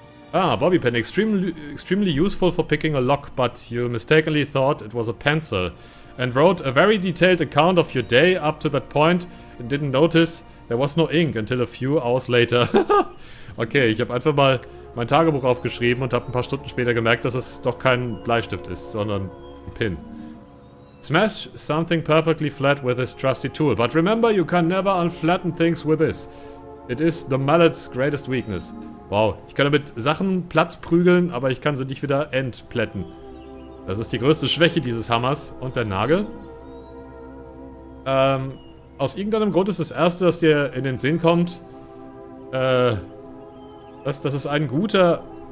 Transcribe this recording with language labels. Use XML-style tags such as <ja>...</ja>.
<en>Ah, Bobby Pen, extremely useful for picking a lock, but you mistakenly thought it was a pencil and wrote a very detailed account of your day up to that point and didn't notice there was no ink until a few hours later.</en> <de>Okay, ich habe einfach mal mein Tagebuch aufgeschrieben und habe ein paar Stunden später gemerkt, dass es doch kein Bleistift ist, sondern ein Pin.</de> <en>Smash something perfectly flat with this trusty tool, but remember you can never unflatten things with this. It is the mallet's greatest weakness.</en> <de>Wow, ich kann damit Sachen platt prügeln, aber ich kann sie nicht wieder entplätten. Das ist die größte Schwäche dieses Hammers. Und der Nagel? Aus irgendeinem Grund ist das Erste, was dir in den Sinn kommt, dass es ein guter...</de>